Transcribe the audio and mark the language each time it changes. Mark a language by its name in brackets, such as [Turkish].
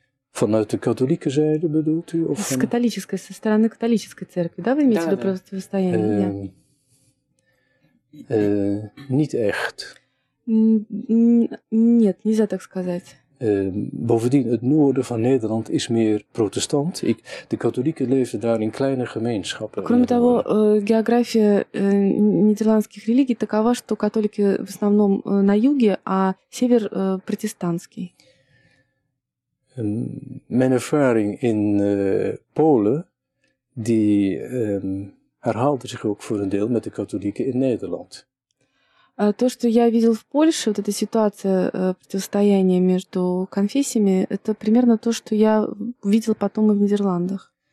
[Dutch] Vanuit de katholieke zijde bedoelt u? [Russian] С католической, со стороны католической церкви, да, вы имеете в виду противостояние? [Dutch] Niet echt. [Russian] Нет, нельзя так сказать. [Dutch] Bovendien, het noorden van Nederland is meer protestant. De katholieken leven daar in kleine gemeenschappen. [Russian] Кроме того, география нидерландских религий такова, что католики в основном на юге, а север протестантский. [Dutch] Mijn ervaring in Polen, die herhaalde zich ook voor een deel met de katholieken in Nederland. [Russian] То, что я видел в Польше, вот эта ситуация противостояния между конфессиями, это примерно то, что я видел потом и в Нидерландах.